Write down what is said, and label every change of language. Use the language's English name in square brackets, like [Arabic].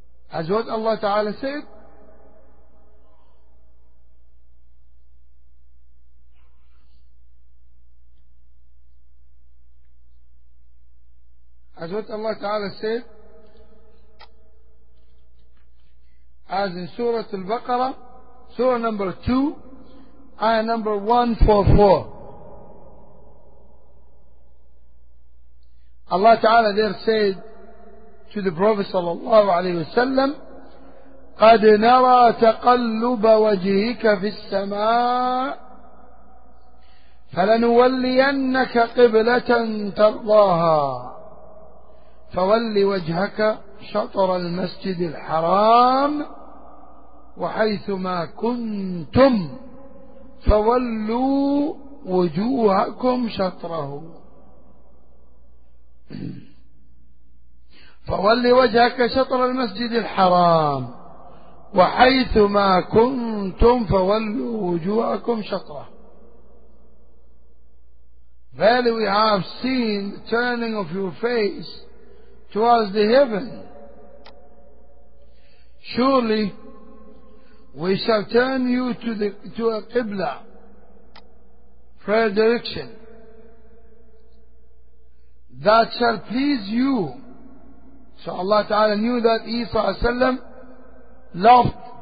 [English] As what Allah Ta'ala said, as what Allah Ta'ala said, as in Surah Al-Baqarah, Surah number 2, Ayah number 144. Allah Ta'ala there said to the Prophet sallallahu alayhi wa sallam, [Arabic] قَدْ نَرَى تَقَلُّبَ وَجِهِكَ فِي السَّمَاءِ فَلَنُوَلِّيَنَّكَ قِبْلَةً تَرْضَاهَا فَوَلِّ وَجْهَكَ شَطْرَ الْمَسْجِدِ الْحَرَامِ وَحَيْثُمَا كُنْتُمْ فَوَلُّوا وُجُوهَكُمْ شَطْرَهُ فَوَلِّ وَجْهَكَ شَطْرَ الْمَسْجِدِ الْحَرَامِ وَحَيْثُمَا كُنْتُمْ فَوَلُّوا وُجُوهَكُمْ شَطْرَهُ [English] Verily we have seen the turning of your face towards the heaven. Surely we shall turn you to a Qibla, prayer direction, that shall please you. So Allah Ta'ala knew that Isa A.S. loved